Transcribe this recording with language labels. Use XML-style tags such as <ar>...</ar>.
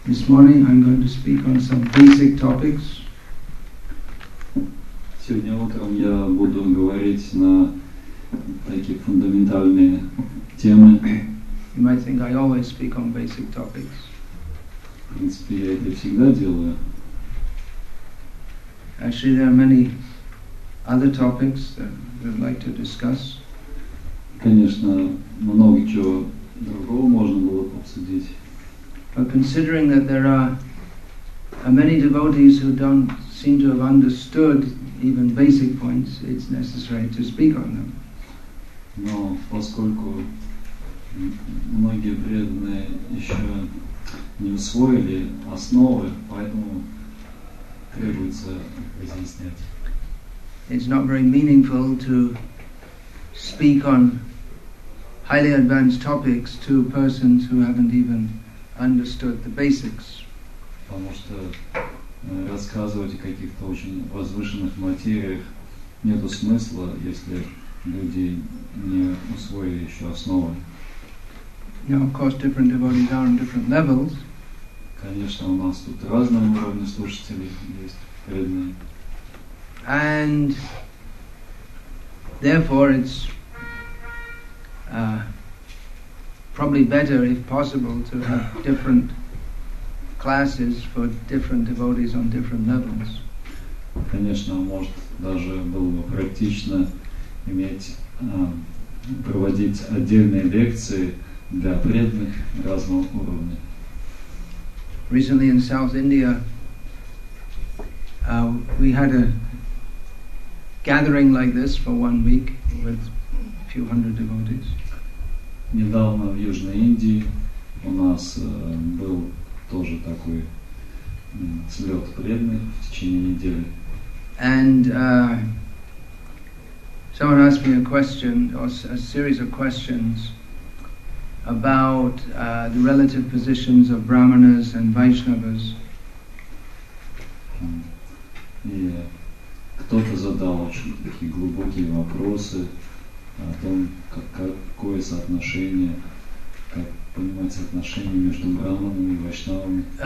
<en>This morning I'm going to speak on some basic topics.</en> <ru>Сегодня утром я буду говорить на такие фундаментальные темы.</ru> <en>You might think I always speak on basic topics.</en> <ru>В принципе, я это всегда делаю.</ru> <en>Actually, there are many other topics that we'd like to discuss.</en> <ru>Конечно, много чего другого можно было обсудить.</ru> <en>But considering that there are many devotees who don't seem to have understood even basic points, it's necessary to speak on them.</en> <ru>Но поскольку многие преданные еще не усвоили основы, поэтому требуется разъяснять.</ru> <en>It's not very meaningful to speak on highly advanced topics to persons who haven't even understood the basics.</en> <ru>Потому что рассказывать о каких-то очень возвышенных материях нету смысла, если люди не усвоили еще основы.</ru> <en>Now, of course, different devotees are on different levels.</en> <ru>Конечно, у нас тут разные уровни слушателей есть преданные.</ru> <en>And therefore, it's probably better, if possible, to have different classes for different devotees on different levels.</en> <ru>Конечно, может даже было бы практично иметь проводить отдельные лекции для преданных разного уровня.</ru> <en>Recently in South India, we had a gathering like this for 1 week with a few hundred devotees.</en> <ru>Недавно в Южной Индии у нас был тоже такой слет преданных в течение недели.</ru> <en>And someone asked me a question, or a series of questions, about the relative positions of brahmanas and vaishnavas.</en> <ru>И кто-то задал очень такие глубокие вопросы о том, какое соотношение, как понимать соотношение между брахманами и вайшнавами.</ru>